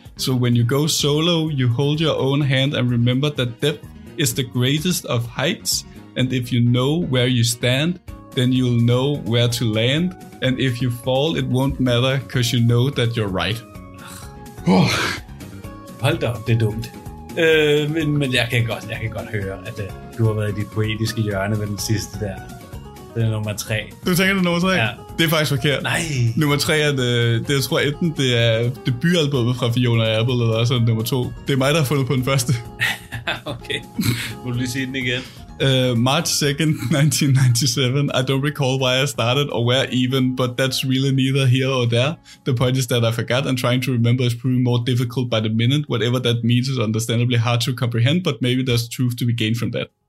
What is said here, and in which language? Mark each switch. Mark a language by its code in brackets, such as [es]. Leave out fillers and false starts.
[en] So when you go solo, you hold your own hand and remember that depth is the greatest of heights. And if you know where you stand, then you'll know where to land. And if you fall, it won't matter, because you know that you're right. [da] Hold da op, det er dumt. Men jeg kan godt høre, at du har været i dit poetiske hjørne med den sidste der. Det er nummer tre. Du tænker, det er nummer tre? Ja. Det er faktisk forkert. Nej. Nummer tre er, det, jeg tror enten, det er debutalbumet fra Fiona Apple, eller også nummer to. Det er mig, der har fundet på den første. Okay. Må du lige sige den igen? [en] March 2nd, 1997, I don't recall why I started or where even, but that's really neither here or there. The point is that I forgot and trying to remember is proving more difficult by the minute. Whatever that means is understandably hard to comprehend, but maybe there's truth to be gained from that.